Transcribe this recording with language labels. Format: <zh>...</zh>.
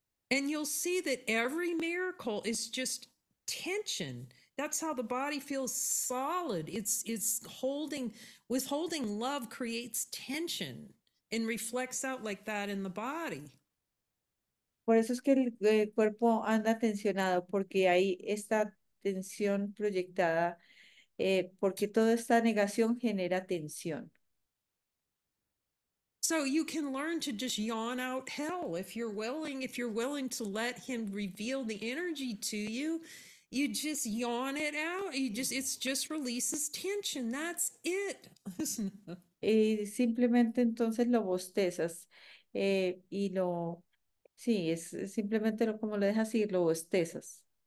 <en>And you'll see that every miracle is just tension. That's how the body feels solid. It's holding, withholding love creates tension and reflects out like that in the body.</en> <es>Por eso es que el cuerpo anda tensionado, porque ahí está tensión proyectada, porque toda esta negación genera tensión.</es> <en>So you can learn to just yawn out hell if you're willing to let him reveal the energy to you, you just yawn it out. It's just releases tension. That's it.</en> <es>Y simplemente entonces lo bostezas, y lo, sí, es simplemente lo, como lo dejas ir, lo bostezas.</es>